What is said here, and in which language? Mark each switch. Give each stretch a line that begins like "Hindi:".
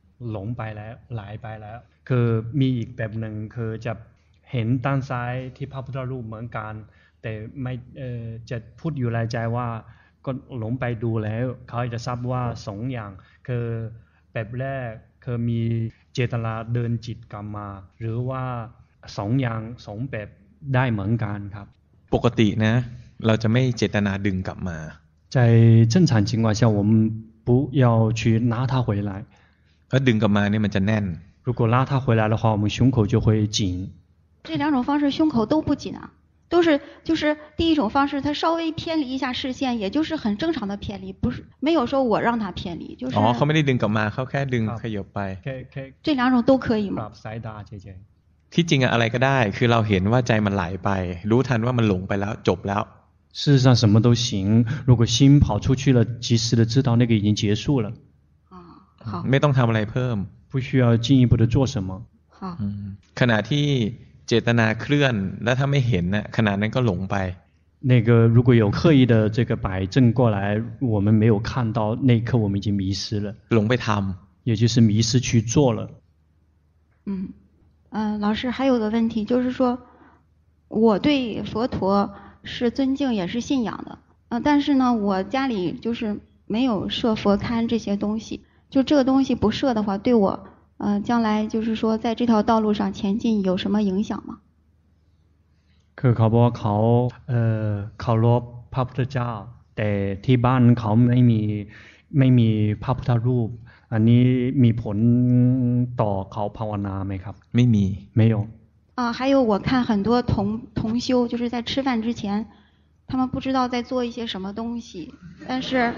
Thai: หลงไปแล้วหลายไปแล้วคือมีอีกแบบหนึ่งคือจะเห็นด้านซ้ายที่พระพุทธรูปเหมือนกันแต่ไม่จะพูดอยู่ในใจว่าก็หลงไปดูแล้วเขาจะทราบว่าสองอย่างคือแบบแรกคือมีเจตนาเดินจิตกรรมมาหรือว่าสองอย่างสองแบบได้เหมือนกันครับ ปกตินะเราจะไม่เจตนาดึงกลับมา
Chinese: ใจ正常情况下我们不要去拉它回来
Thai: ถ้าดึงกลับมาเนี่ยมันจะแน่น
Chinese: 如果拉它回来的话我们胸口就会紧这两种方式胸口都不紧啊都是就是第一种方式它稍微偏离一下视线也就是很正常的偏离不是没有说我让它偏离就是
Thai: 哦เขาไม่ได้ดึงกลับมาเขาแค่ดึงขยับไป
Chinese: 这两种都可以吗
Thai: ที่จริงอะไรก็ได้คือเราเห็นว่าใจมันไหลไปรู้ทันว่ามันหลงไปแล้วจบแล้ว
Chinese: 事实上什么都行如果心跑出去了及时的知道那个已经结束了好
Thai: ไม่ต้องทำอะไรเพิ่ม
Chinese: 不需要进一步的做什么
Thai: ขณะที่เจตนาเคลื่อนแล้วถ้าไม่เห็นนะขณะนั้นก็หลงไป
Chinese: 那个如果有刻意的这个摆正过来我们没有看到那一刻我们已经迷失了
Thai: หลงไปทำ
Chinese: 也就是迷失去做了老师还有个问题就是说我对佛陀是尊敬也是信仰的但是呢我家里就是没有设佛龛这些东西就这个东西不设的话对我将来就是说在这条道路上前进有什么影响吗
Thai: คือเขาบอกเขาเคารพพระพุทธเจ้าแต่ที่บ้านเขาไม่มีพระพุทธรูปอันนี้มีผลต่อเขาภาวนาไหมครับ ไม่มี ไม่
Chinese: 有还有我看很多同修就是在吃饭之前他们不知道在做一些什么东西但是